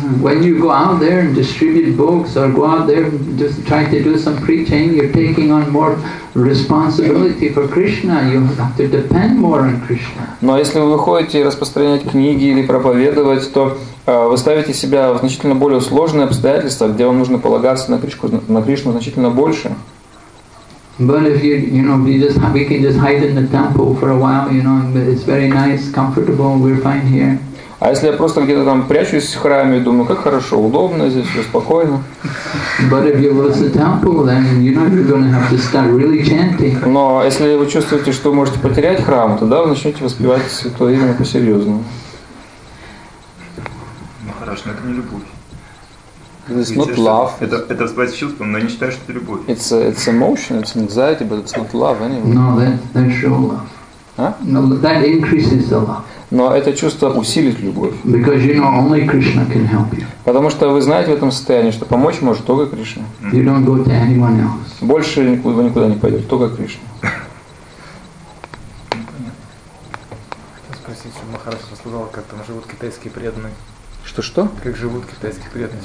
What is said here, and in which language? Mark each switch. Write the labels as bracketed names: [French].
[English] When you go out there and distribute books or go out there and just try to do some preaching, you're taking on more responsibility for Krishna. You have to depend more on Krishna. [Russian] Но если вы выходите распространять книги или проповедовать, то вы ставите себя в значительно более сложные обстоятельства, где вам нужно полагаться на Кришну значительно больше. [English] But if we can just hide in the temple for a while, you know, it's very nice, comfortable, we're fine here. [Russian] А если я просто где-то там прячусь в храме, думаю, как хорошо, удобно здесь, все спокойно. [English] But if you lose the temple, then you know you're going to have to start really chanting. [Russian] Но если вы чувствуете, что можете потерять храм, тогда вы начнете воспевать святое имя по-серьезному. Это не любовь. Это воспитание чувств, но не считаю, что это любовь. [English] It's emotion, it's anxiety, but it's not love anyway. No, that's true love. No, that increases the love. [Russian] Но это чувство усилит любовь. [English] Because you know only Krishna can help you. [Russian] Потому что вы знаете в этом состоянии, что помочь может только Кришна. [English] You don't go to anyone else. [Russian] Больше вы никуда не пойдете, только Кришна. Хотел спросить, что Махарадж рассказал, как там живут китайские преданные. Что-что? Как живут китайские преданные.